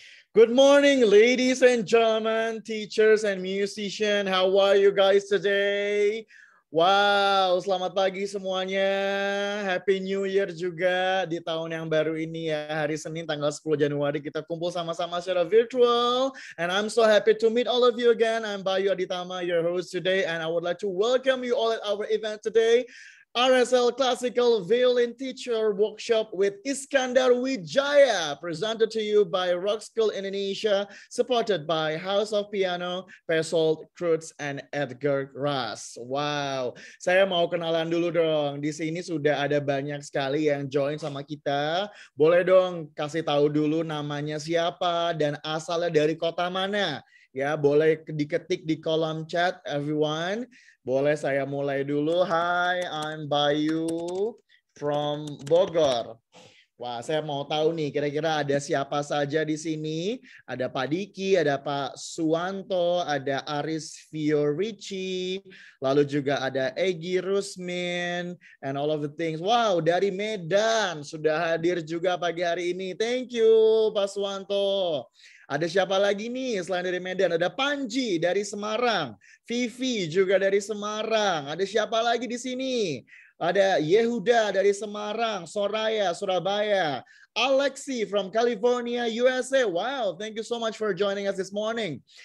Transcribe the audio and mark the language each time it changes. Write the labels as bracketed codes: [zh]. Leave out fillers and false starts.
[en] Good morning, ladies and gentlemen, teachers and musician. How are you guys today? [id] Wow, selamat pagi semuanya. [en] Happy New Year [id] juga di tahun yang baru ini ya. Hari Senin tanggal 10 Januari kita kumpul sama-sama secara virtual. [en] And I'm so happy to meet all of you again. I'm Bayu Aditama, your host today. And I would like to welcome you all at our event today. RSL Classical Violin Teacher Workshop with Iskandar Widjaja, presented to you by Rock School Indonesia, supported by House of Piano, Persold, Kreutz, and Edgar Ross. [id] Wow, saya mau kenalan dulu dong. Di sini sudah ada banyak sekali yang join sama kita. Boleh dong kasih tahu dulu namanya siapa dan asalnya dari kota mana? Ya, boleh diketik di kolom chat, everyone. Boleh saya mulai dulu. [en] Hi, I'm Bayu from Bogor. [id] Wah, saya mau tahu nih, kira-kira ada siapa saja di sini? Ada Pak Diki, ada Pak Suwanto, ada Aris Fiorici, lalu juga ada Egy Rusmin, [en] and all of the things. [id] Wow, dari Medan sudah hadir juga pagi hari ini. [en] Thank you, [id] Pak Suwanto. Ada siapa lagi nih selain dari Medan? Ada Panji dari Semarang. Vivi juga dari Semarang. Ada siapa lagi di sini? Ada Yehuda dari Semarang, Soraya, Surabaya. [en] Alexi from California, USA. Wow, thank you so much for joining us this morning.